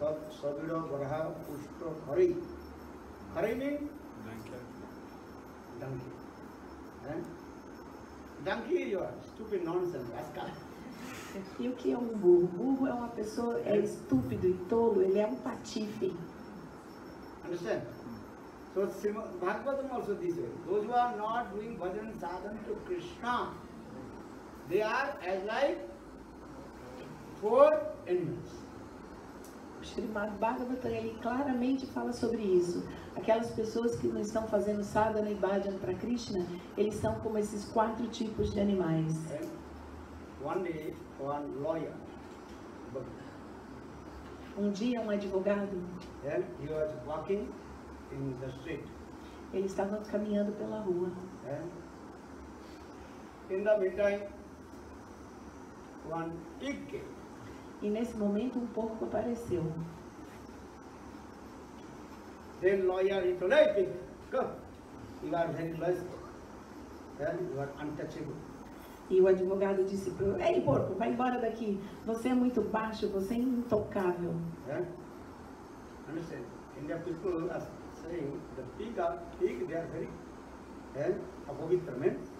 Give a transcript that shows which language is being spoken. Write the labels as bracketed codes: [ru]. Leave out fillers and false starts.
[en] Sabira Varaha Pushtra Hari. Hari means? Donkey. Donkey, you are stupid nonsense, rascal. [pt] E o que é um burro? Burro é uma pessoa, é estúpido e tolo, ele é um patife. [en] Understand? So Srimad Bhagavatam also this way. Those who are not doing bhajan sadhana to Krishna, they are as like four animals. [pt] Srimad Bhagavatam ele claramente fala sobre isso. Aquelas pessoas que não estão fazendo sadhana e bhajan para Krishna, eles são como esses quatro tipos de animais. [en] One day, one lawyer, [pt] um dia um advogado. [en] He was walking. In the street. [pt] Ele estava caminhando pela rua. [en] In the meantime, one pig came. [pt] E nesse momento um porco apareceu. [en] Then lawyer said, hey pig, come. You are very blessed. You are untouchable. [pt] E o advogado disse, ei porco, vai embora daqui. Você é muito baixo, você é intocável. [en] Understand? And the people ask, the pig are pig, they are very apovitra, man.